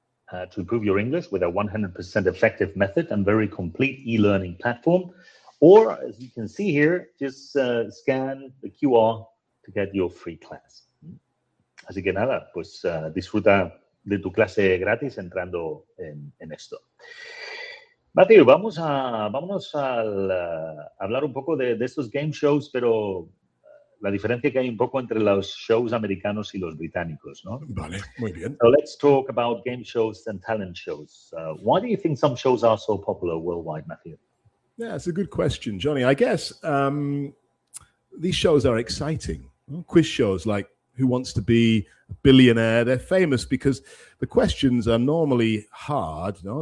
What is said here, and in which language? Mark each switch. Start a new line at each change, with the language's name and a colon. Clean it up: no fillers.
English: to improve your English with a 100% effective method and very complete e-learning platform. Or, as you can see here, just scan the QR to get your free class.
Spanish: Así que nada, pues disfruta de tu clase gratis entrando en esto. Matthew, vamos a hablar un poco de estos game shows, pero la diferencia que hay un poco entre los shows americanos y los británicos, ¿no? Vale, muy bien.
English: So let's talk about game shows and talent shows. Why do you think some shows are so popular worldwide, Matthew? Yeah, that's a good question, Johnny. I guess these shows are exciting. Quiz shows like Who Wants to Be a Billionaire? They're famous because the questions are normally hard, no?